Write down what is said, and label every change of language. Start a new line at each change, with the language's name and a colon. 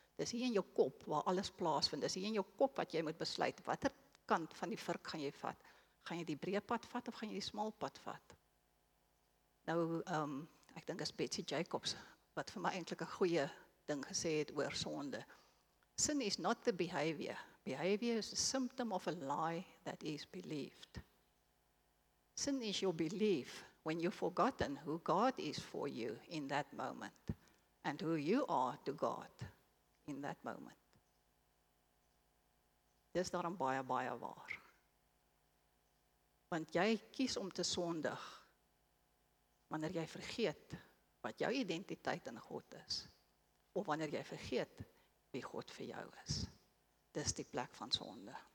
Afrikaans: Dis hier in jou kop waar alles plaasvind. Dis hier in jou kop wat jy moet besluit. Watter kant van die vark gaan jy vat? Gaan jy die breë pad vat of gaan jy die smal pad vat? Nou, ek dink as Betsy Jacobs, wat vir my eintlik 'n goeie ding gesê het oor sonde.
English: Sin is not the behavior. Behavior is a symptom of a lie that is believed. Sin is your belief when you've forgotten who God is for you in that moment and who you are to God in that moment.
Afrikaans: Dis daarom baie, baie waar. Want jy kies om te sondig wanneer jy vergeet wat jou identiteit in God is of wanneer jy vergeet wie God vir jou is. Dis die plek van sonde.